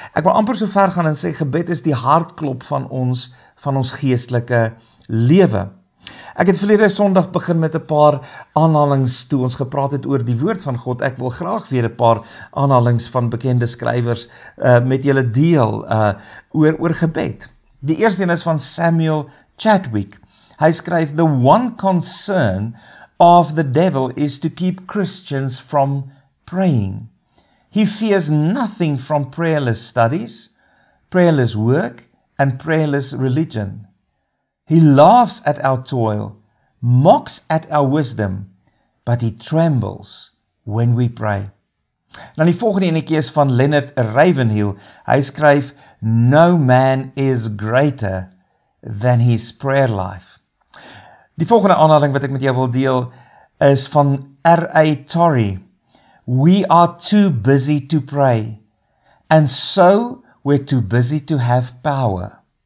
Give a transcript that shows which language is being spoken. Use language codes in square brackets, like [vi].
[af] Ek wil amper so ver gaan en sê, gebed is die hartklop van ons geestelike lewe. Ek het verlede Sondag begin met 'n paar aanhalings toe ons gepraat het oor die woord van God. Ek wil graag weer 'n paar aanhalings van bekende skrywers met julle deel oor gebed. Die eerste een is van Samuel Chadwick. [en] Hy skryf, "The one concern of the devil is to keep Christians from praying. He fears nothing from prayerless studies, prayerless work, and prayerless religion. He laughs at our toil, mocks at our wisdom, but he trembles when we pray." [af] Nou die volgende enetjie is van Leonard Ravenhill. Hy skryf, [en] "No man is greater than his prayer life." [af] Die volgende aanhaling wat ek met jou wil deel is van R.A. Torrey. [en] "We are too busy to pray, and so we're too busy to have power.